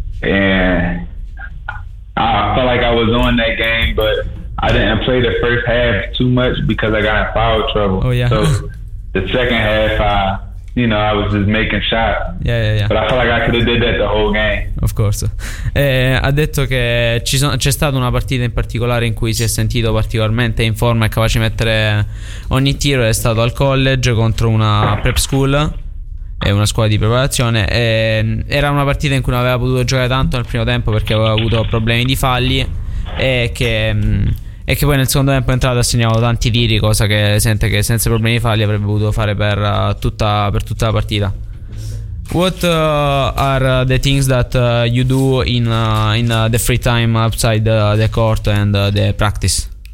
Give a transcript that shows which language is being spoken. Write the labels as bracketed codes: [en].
[en] And I felt like I was on that game, but I didn't play the first half too much because I got in foul trouble. Oh, yeah. So the second half, you know, I was just making shots. Yeah, yeah, yeah. But I felt like I could have did that the whole game. Of course. [it] Ha detto che c'è stata una partita in particolare in cui si è sentito particolarmente in forma e capace di mettere ogni tiro. È stato al college contro una prep school, è una squadra di preparazione. Era una partita in cui non aveva potuto giocare tanto nel primo tempo perché aveva avuto problemi di falli. E che poi nel secondo tempo è entrato e ha segnato tanti tiri, cosa che sente che senza problemi di falli avrebbe potuto fare per tutta la partita. [en] What are the things that you do in the free time outside the court and the practice?